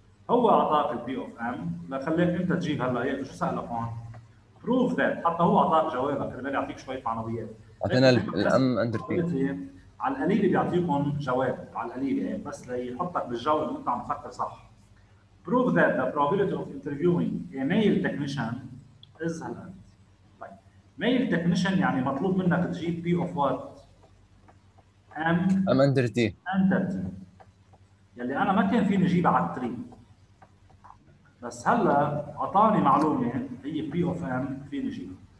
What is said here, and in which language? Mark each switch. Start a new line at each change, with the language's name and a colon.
Arabic: هو عطاك الـ P of M لخليك انت تجيب هلا هيك شو سألك هون
English: proof that
Arabic: حتى هو عطاك جوابك اللي بدي اعطيك شوية معنويات. عطينا الام اندر بي على القليل بيعطيكم جواب على القليل يعني بس ليحطك بالجو اللي انت عم تفكر صح.
English: Prove that the probability of interviewing a male technician is هلا.
Arabic: طيب male technician يعني مطلوب منك تجيب بي اوف وات ام ام اندر تي اندر تي يلي انا ما كان فيني اجيبها على التري بس هلا اعطاني معلومه هي بي اوف ام فيني اجيبها.